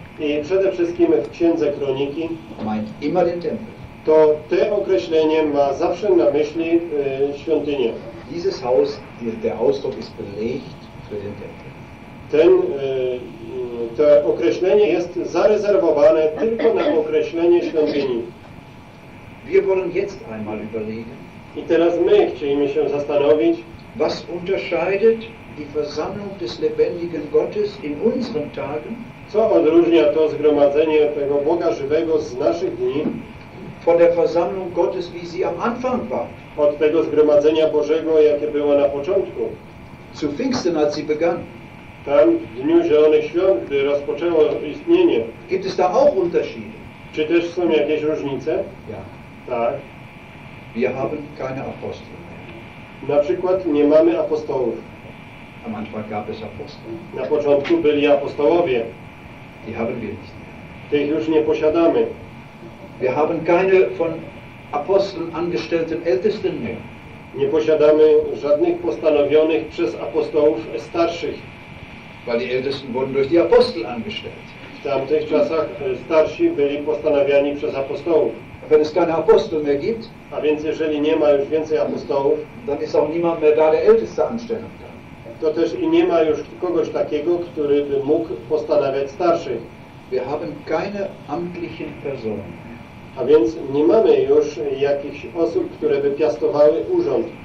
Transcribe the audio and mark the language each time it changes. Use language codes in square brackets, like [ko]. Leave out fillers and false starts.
[pl] i przede wszystkim w Księdze Kroniki, [de] meint immer den Tempel. [pl] To te określenie ma zawsze na myśli świątynię. [de] Dieses Haus, der Ausdruck ist belegt für den Tempel. [pl] To określenie jest zarezerwowane tylko na określenie świątyni. [de] Wir wollen jetzt einmal überlegen. [pl] I teraz my chcielibyśmy się zastanowić. [de] Was unterscheidet die Versammlung des lebendigen Gottes in unseren Tagen? [pl] Co odróżnia to zgromadzenie tego Boga żywego z naszych dni? [de] Von der Versammlung Gottes, wie sie am Anfang war. [pl] Od tego zgromadzenia Bożego, jakie było na początku. [de] Zu Pfingsten, als sie begann. [pl] Tam w dniu Zielonych Świąt, gdy rozpoczęło istnienie. [de] Gibt es da auch Unterschiede? [pl] Czy też są jakieś różnice? [de] Ja. [pl] Tak. [de] Wir haben keine Apostel mehr. [pl] Na przykład nie mamy apostołów. [de] Am Anfang gab es Apostel. [pl] Na początku byli apostołowie. [de] Die haben wir nicht mehr. [pl] Tych już nie posiadamy. [de] Wir haben keine von Aposteln angestellten Ältesten mehr. [pl] Nie posiadamy żadnych postanowionych przez apostołów starszych. [de] Weil die Ältesten wurden durch die Apostel angestellt. [pl] W tamtych czasach starsi byli postanawiani przez apostołów. [de] Wenn es keine Apostel mehr gibt, [pl] a więc jeżeli nie ma już więcej apostołów, [de] dann ist auch niemand mehr da, der Älteste anstellen kann. [pl] To też i nie ma już kogoś takiego, który by mógł postanawiać starszych. [de] Wir haben keine amtlichen Personen. [pl] A więc nie mamy już jakichś osób, które by piastowały urząd.